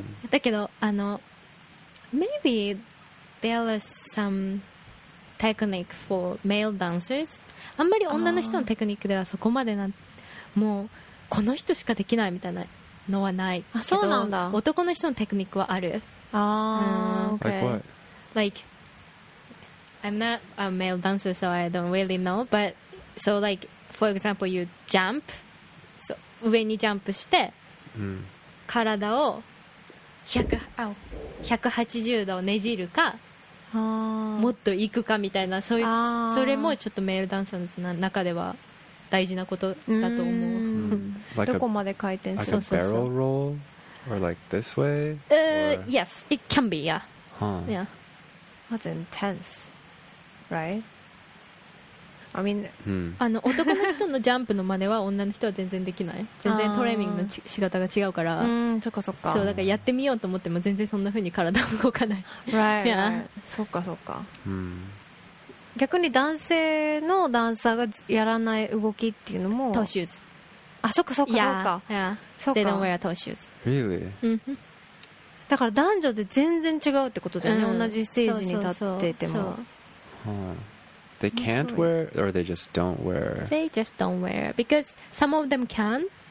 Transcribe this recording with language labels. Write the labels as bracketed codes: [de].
[ja] だけどあの [en] maybe there are some technique for male dancers、 [ja] あんまり女の人のテクニックではそこまでなもうこの人しかできないみたいなのはない。あ、そうなんだ。男の人のテクニックはある。 [en] Like I'm not a male dancer, so I don't really know. But so like, for example, you jump. [ja] So 上にジャンプして、うん、体を180度ねじるか、もっといくかみたいな、そういう、それもちょっとメールダンサーの中では大事なことだと思う。 Like、どこまで回転 [en] する、like、barrel roll or like this way? Yes, it can be, yeah. Huh. Yeah. That's intense, right? I mean,、 [ja] あの男の人のジャンプの真似は女の人は全然できない。全然トレーニングの仕方が違うから。そっかそっか。そうだからやってみようと思っても全然そんな風に体動かない。 [en] Right. Yeah. Right. [ja] そっかそっか。逆に男性のダンサーがやらない動きっていうのも。トーシューズ。あ、そっかそっか、 [en] yeah. [ja] そっか。 [en] Yeah. [ja] そうか。 [en] They don't wear toe shoes. Really? [ja] だから男女で全然違うってことだよね。同じステージに立っていても。 [en] They can't wear or they just don't wear. They just don't wear because some of them can.